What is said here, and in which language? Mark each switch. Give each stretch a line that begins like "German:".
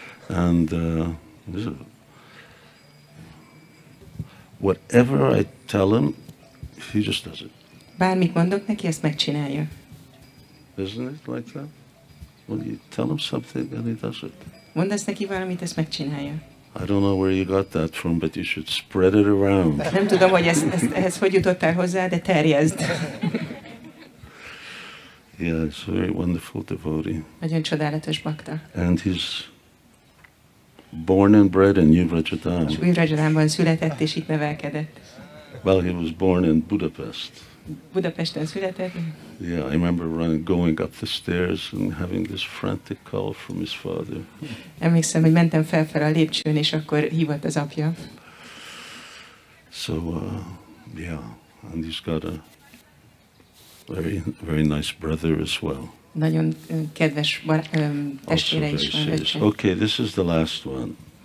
English: And whatever I tell him, he just does it.
Hungarian: Bármit mondok neki, ezt megcsinálja.
English: Isn't it like that? Well, you tell him something and he does it.
Hungarian: Mondasz neki valamit, ezt megcsinálja.
English: I don't know where you got that from, but you should spread it around.
Hungarian: Nem tudom, hogy ehhez hogy jutottál hozzá, de terjezd.
English: Yeah, it's a very wonderful devotee.
Hungarian: Nagyon csodálatos bakta.
English: And he's born and bred in Újvrajadán.
Hungarian: Újvrajadánban született és itt nevelkedett.
English: Well, he was born in Budapest.
Hungarian: Budapesten született.
English: Yeah, I remember going up the stairs and having this frantic call from his father.
Hungarian: Emlékszem, hogy mentem fel a lépcsőn, és akkor hívott az apja.
English: So, and he's got a very, very nice brother as well.
Hungarian: Nagyon kedves testvére is van.
English: Okay, this is the last one.